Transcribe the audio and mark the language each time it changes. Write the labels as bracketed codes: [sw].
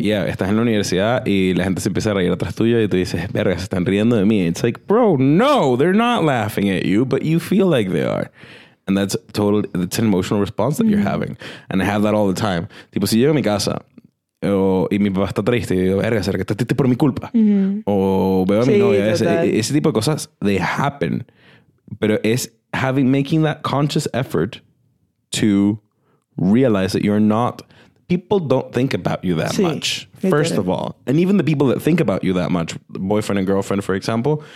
[es] Yeah, estás en la universidad y la gente se empieza a reír atrás tuyo y tú dices, verga, se están riendo de mí. [en] It's like, bro, no, they're not laughing at you, but you feel like they are. And that's totally, it's an emotional response that you're having. And I have that all the time. [es] Tipo, si llego a mi casa y mi papá está triste, y digo, verga, será que está triste por mi culpa. Mm-hmm. O veo a mi novia. Ese tipo de cosas, [en] they happen. [es] Pero es [en] making that conscious effort to realize that you're not, people don't think about you that much, first of all. And even the people that think about you that much, boyfriend and girlfriend, for example,